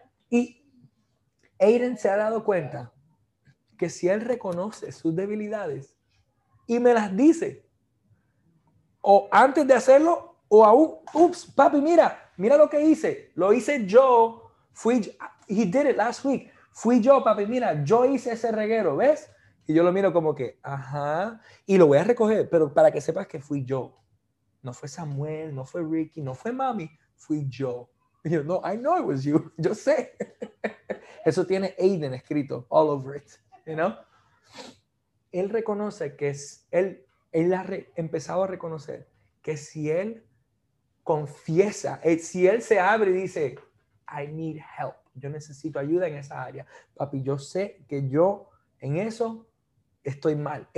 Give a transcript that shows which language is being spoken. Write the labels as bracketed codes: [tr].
[es] Y Aiden se ha dado cuenta que si él reconoce sus debilidades y me las dice, o antes de hacerlo, o aún, ups, papi, mira, mira lo que hice. Lo hice yo. [en] He did it last week. [es] Fui yo, papi, mira, yo hice ese reguero, ¿ves? Y yo lo miro como que, ajá, y lo voy a recoger, pero para que sepas que fui yo. No fue Samuel, no fue Ricky, no fue mami, fui yo. Y yo, no, [en] I know it was you, [es] yo sé. Eso tiene Aiden escrito, [en] all over it, you know? [es] Él reconoce que es, él ha empezado a reconocer que si él confiesa, si él se abre y dice, [en] I need help. [es] Yo necesito ayuda en esa área. Papi, yo sé que yo en eso estoy mal.